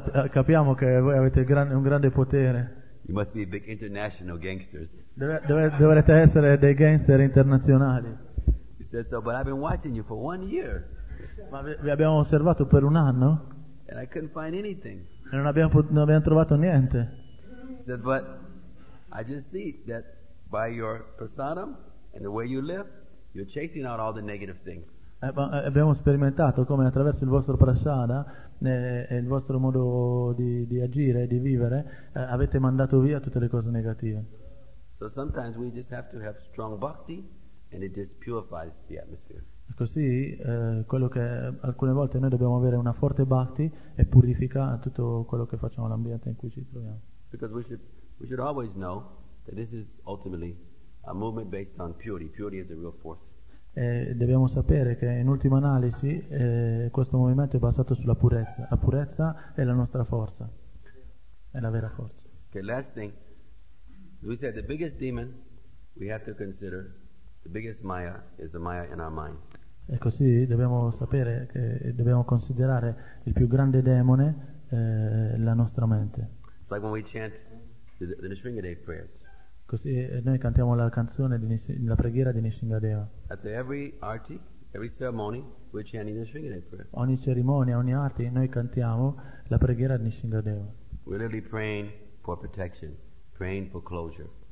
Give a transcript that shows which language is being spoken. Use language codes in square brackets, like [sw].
[it] Capiamo che voi avete un grande potere. [en] You must be big international gangsters. [it] Dovrete essere dei gangster internazionali. [en] He said so, but I've been watching you for one year. [it] Ma vi abbiamo osservato per un anno. [en] And I couldn't find anything. [it] E non abbiamo trovato niente. [en] He said, but I just see that by your prasadam and the way you live, you're chasing out all the negative things. [it] Abbiamo sperimentato come attraverso il vostro prasada e il vostro modo di agire e di vivere avete mandato via tutte le cose negative. [en] So sometimes we just have to have strong bhakti and it just purifies the atmosphere. [it] Così quello che alcune volte noi dobbiamo avere una forte bhakti e purifica tutto quello che facciamo, l'ambiente in cui ci troviamo. [en] Because we should always know that this is ultimately a movement based on purity. Purity is a real force. [it] Dobbiamo sapere che in ultima analisi questo movimento è basato sulla purezza. La purezza è la nostra forza, è la vera forza. [en] Okay, last thing. We said the biggest demon we have to consider, the biggest maya, is the maya in our mind. [it] E così dobbiamo sapere che dobbiamo considerare il più grande demone la nostra mente. [en] It's like when we chant the Nisringadev prayers. [it] Così noi cantiamo la canzone di Nisi, la preghiera di Nisingadeva. [en] After every arti, every ceremony, we're chanting the Nisingadeva prayer. [it] Ogni cerimonia, ogni arti, noi cantiamo la preghiera di Nisingadeva. [en] We're really praying for protection, praying for closure.